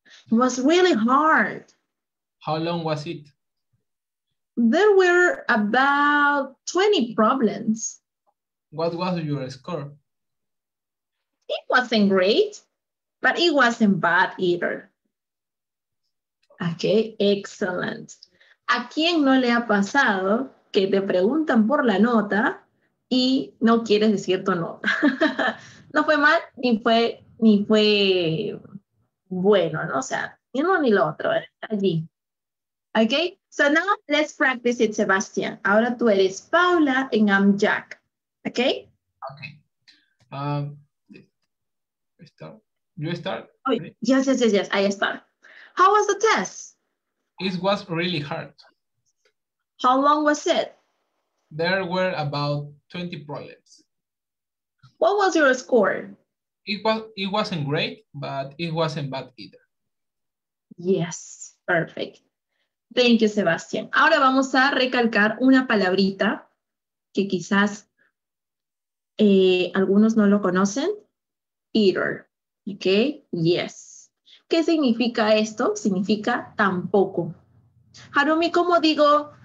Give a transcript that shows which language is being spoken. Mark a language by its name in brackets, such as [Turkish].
[English] It was really hard. How long was it? There were about 20 problems. What was your score? It wasn't great, but it wasn't bad either. Okay, excellent. [Spanish] ¿A quién no le ha pasado que te preguntan por la nota y no quieres decir tu nota? No fue mal, ni fue bueno, ¿no? O sea, ni uno ni lo otro, allí. [English] Okay, so now let's practice it, Sebastián. [Spanish] Ahora tú eres Paula [English] and I'm Jack, okay? Okay. You start? Oh, yes, I start. How was the test? It was really hard. How long was it? There were about 20 problems. What was your score? It wasn't great, but it wasn't bad either. Yes, perfect. Thank you, Sebastián. [Spanish] Ahora vamos a recalcar una palabrita que quizás algunos no lo conocen. [English] Either. Okay, yes. [Spanish] ¿Qué significa esto? Significa tampoco. Harumi, ¿cómo digo?